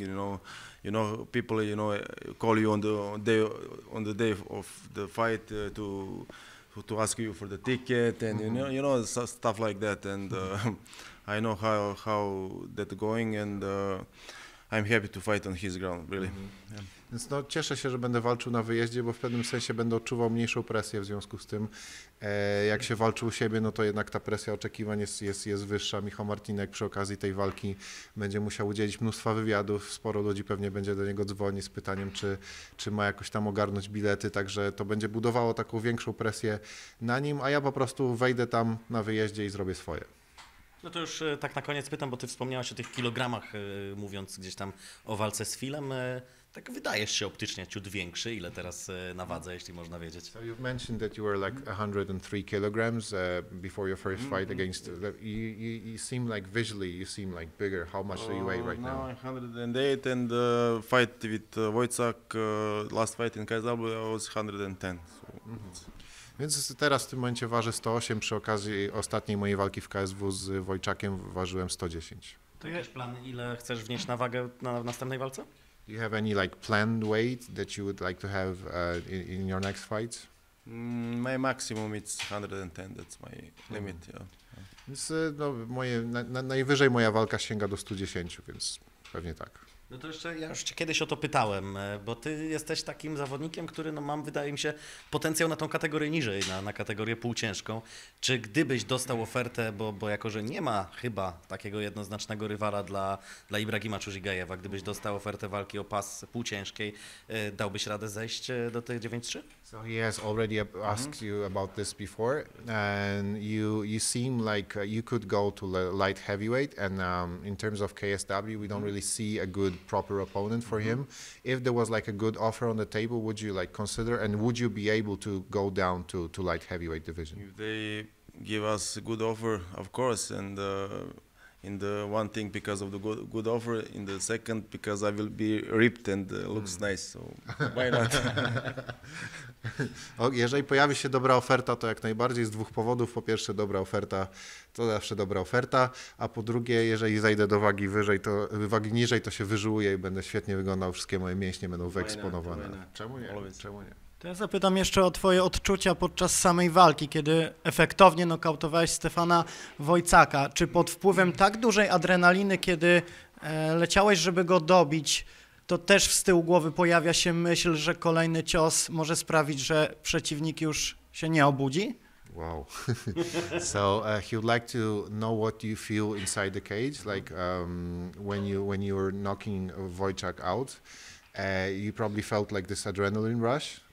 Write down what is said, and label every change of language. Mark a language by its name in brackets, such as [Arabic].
[English] You know, people, call you on the day of the fight to ask you for the ticket, and you know, stuff like that. And I know how that going, and I'm happy to fight on his ground, really. Mm-hmm. Yeah. [Polish] Więc no, cieszę się, że będę walczył na wyjeździe, bo w pewnym sensie będę odczuwał mniejszą presję w związku z tym, jak się walczy u siebie, no to jednak ta presja oczekiwań jest wyższa. Michał Martinek przy okazji tej walki będzie musiał udzielić mnóstwa wywiadów, sporo ludzi pewnie będzie do niego dzwonić z pytaniem, czy ma jakoś tam ogarnąć bilety, także to będzie budowało taką większą presję na nim, a ja po prostu wejdę tam na wyjeździe i zrobię swoje. No to już tak na koniec pytam, bo ty wspomniałeś o tych kilogramach, mówiąc gdzieś tam o walce z Filem. Tak wydajesz się optycznie ciut większy, ile teraz na wadze, jeśli można wiedzieć. [English] So you've mentioned that you were like 103 kilograms before your first fight against... You seem like visually, you seem like bigger. How much do you weigh right now? Now 108 and fight with Wojcak, last fight in KSW, I was 110. So. [Polish] Więc teraz w tym momencie ważę 108, przy okazji ostatniej mojej walki w KSW z Wojczakiem ważyłem 110. To jakiś plan, ile chcesz wnieść na wagę na następnej walce? [English] Do you have any like planned weight that you would like to have in your next fight? My maximum is 110, that's my limit. Yeah. [Polish] Więc no, najwyżej moja walka sięga do 110, więc pewnie tak. No to jeszcze ja już cię kiedyś o to pytałem, bo ty jesteś takim zawodnikiem, który no, mam, wydaje mi się, potencjał na tą kategorię niżej, na kategorię półciężką. Czy gdybyś dostał ofertę, bo jako że nie ma chyba takiego jednoznacznego rywala dla Ibrahima Czurzigajewa, gdybyś dostał ofertę walki o pas półciężkiej, dałbyś radę zejść do tych 9-3? [English] So he has already asked you about this before, and you seem like you could go to light heavyweight, and in terms of KSW, we don't really see a good proper opponent for him. If there was like a good offer on the table, would you like consider, and would you be able to go down to light heavyweight division? If they give us a good offer, of course, and in the one thing because of the good offer, in the second because I will be ripped and looks nice, so why not? [Polish] Jeżeli pojawi się dobra oferta, to jak najbardziej z dwóch powodów. Po pierwsze, dobra oferta to zawsze dobra oferta, a po drugie, jeżeli zejdę do wagi wyżej, to wagi niżej, to się wyżyłuję i będę świetnie wyglądał, wszystkie moje mięśnie będą wyeksponowane. Czemu nie? To ja zapytam jeszcze o twoje odczucia podczas samej walki, kiedy efektownie nokautowałeś Stefana Wojcaka. Czy pod wpływem tak dużej adrenaliny, kiedy leciałeś, żeby go dobić, to też z tyłu głowy pojawia się myśl, że kolejny cios może sprawić, że przeciwnik już się nie obudzi? [English] Wow. So he would like to know what you feel inside the cage, like when you were knocking Wojciak out, you probably felt like this adrenaline rush.